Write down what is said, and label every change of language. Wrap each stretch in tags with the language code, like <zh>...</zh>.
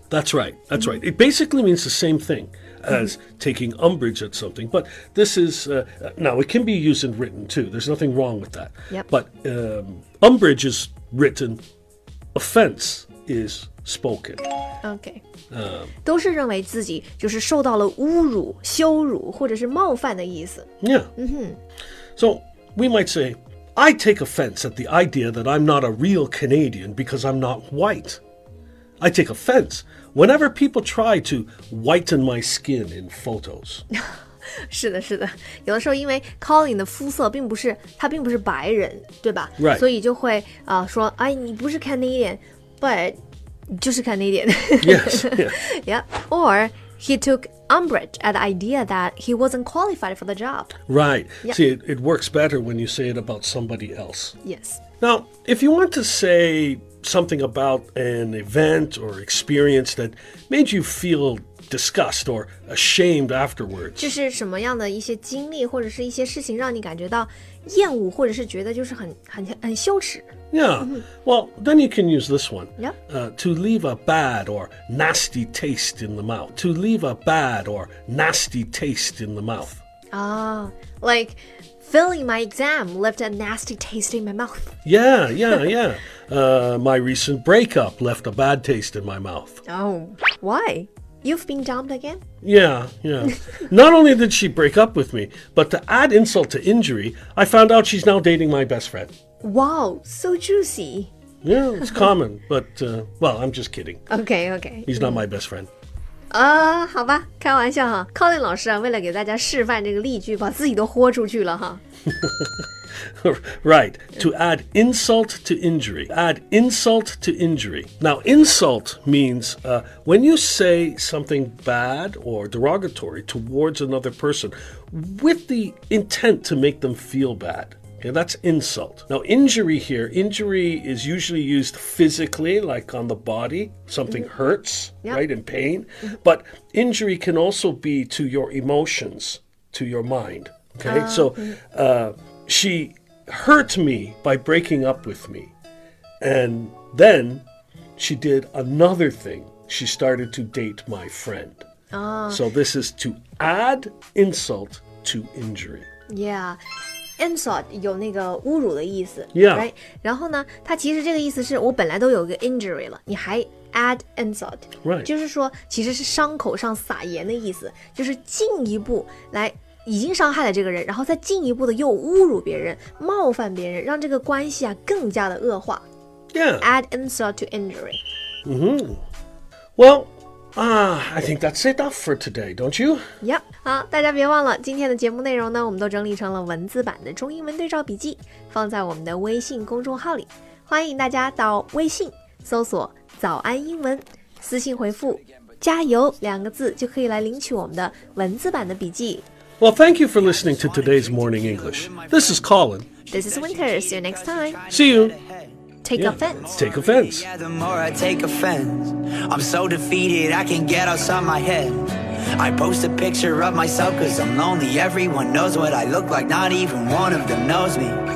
<en>That's right. It basically means the same thing. As taking umbrage at something. But this is, now it can be used in written too. There's nothing wrong with that. Yep. But umbrage is written, offense is spoken. Okay.</en> <zh>都是认为自己就是受到了侮辱、羞辱或者是冒犯的意思。</zh> <en>Yeah. So we might say, I take offense at the idea that I'm not a real Canadian because I'm not white. I take offense whenever people try to whiten my skin in photos.</en> <zh>是的是的，有的时候因为 Colin 的肤色并不是，他并不是白人，对吧？</zh> <en>Right.</en> <zh>所以就会说，哎，你不是 Canadian, but 就是 Canadian.</zh> <en>Yes. Yeah. Yeah. Or he took umbrage at the idea that he wasn't qualified for the job. Right. Yeah. See, it works better when you say it about somebody else. Yes. Now, if you want to say something about an event or experience that made you feel disgust or ashamed afterwards.</en> <zh>就是什么样的一些经历或者是一些事情让你感觉到厌恶或者是觉得就是很羞耻。</zh> <en>Yeah, well, then you can use this one. Yeah. To leave a bad or nasty taste in the mouth. To leave a bad or nasty taste in the mouth. Oh, like filling my exam left a nasty taste in my mouth. Yeah, yeah, yeah. My recent breakup left a bad taste in my mouth. Oh, why? You've been dumped again? Yeah, yeah. Not only did she break up with me, but to add insult to injury, I found out she's now dating my best friend. Wow, so juicy. Yeah, it's common, but I'm just kidding. Okay, okay. He's not my best friend.</en> <zh>好吧，开玩笑哈。 Colin 老师啊，为了给大家示范这个例句，把自己都豁出去了哈。</zh> <en>Right, to add insult to injury. Add insult to injury. Now, insult means when you say something bad or derogatory towards another person with the intent to make them feel bad. Okay, that's insult. Now, injury here, injury is usually used physically, like on the body. Something hurts, yep. Right, in pain. But injury can also be to your emotions, to your mind. Okay, she hurt me by breaking up with me. And then she did another thing. She started to date my friend. So this is to add insult to injury. Yeah.</en> <zh>Insult 有那个侮辱的意思。</zh> <en>Yeah. Right?</en> <zh>然后呢它其实这个意思是我本来都有个 injury 了你还 add insult。</zh> <en>Right.</en> <zh>就是说其实是伤口上撒盐的意思就是进一步来已经伤害了这个人然后再进一步的又侮辱别人冒犯别人让这个关系啊更加的恶化</zh> <en>Yeah. Add insult to injury、 mm-hmm. Well, I think that's enough for today, don't you?</en> <zh>Yep, 好大家别忘了今天的节目内容呢我们都整理成了文字版的中英文对照笔记放在我们的微信公众号里欢迎大家到微信搜索早安英文私信回复加油两个字就可以来领取我们的文字版的笔记</zh> <en>Well, thank you for listening to today's Morning English. This is Colin. This is Winter. See you next time. See you. Take offense. Take offense. Yeah, the more I take offense. I'm so defeated, I can't get outside my head. I post a picture of myself cause I'm lonely. Everyone knows what I look like, not even one of them knows me.</en>